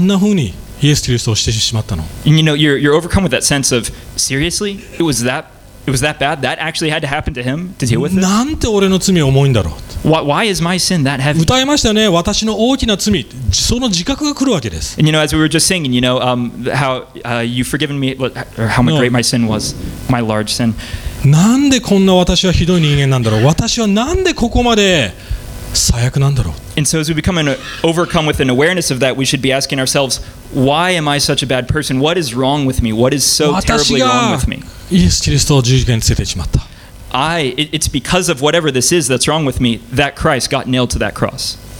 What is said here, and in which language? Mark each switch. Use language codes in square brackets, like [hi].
[ja] マジで俺の罪があんな風にイエス・キリストをしてしまったの? [en] And you know, you're overcome with that sense of, seriously? It was that bad? That actually had to happen to him to deal with it? [ja] なんて俺の罪重いんだろう? [en] Why is my sin that heavy? [ja] 歌いましたね、私の大きな罪、その自覚が来るわけです。 [en] And you know, as we were just singing, you know, how you've forgiven me, or how much great my sin was, my large sin. [ja] なんでこんな私はひどい人間なんだろう。私はなんでここまで最悪なんだろう。 [en] And so as we become overcome with an awareness of that, we should be asking ourselves, why am I such a bad person? What is wrong with me? What is so terribly wrong with me? [ja] イエス・キリストを十字架につけてしまった。 [en] It's because of whatever this is that's wrong with me that Christ got nailed to that cross.